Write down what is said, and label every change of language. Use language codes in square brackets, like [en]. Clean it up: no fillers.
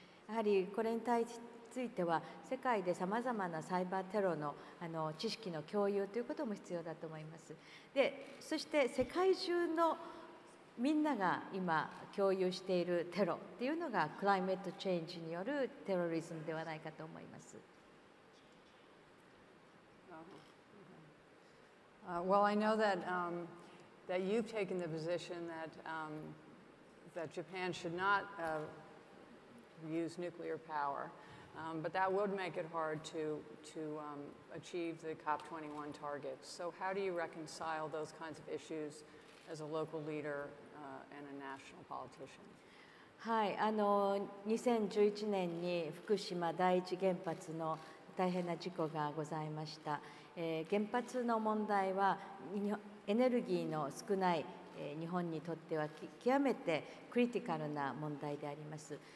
[ja] やはりこれに対しについては、世界でさまざまなサイバーテロの知識の共有ということも必要だと思います。で、そして世界中のみんなが今共有しているテロっていうのが、クライマットチェンジによるテロリズムではないかと思います。 [en] Well, I know thatthat you've taken the position that, that Japan should not use nuclear power, but that would make it hard to achieve the COP21 targets. So how do you reconcile those kinds of issues as a local leader and a national politician? [ja] はい、2011年に福島第一原発の大変な事故がございました。原発の問題は、エネルギーの少ない日本にとっては極めてクリティカルな問題であります。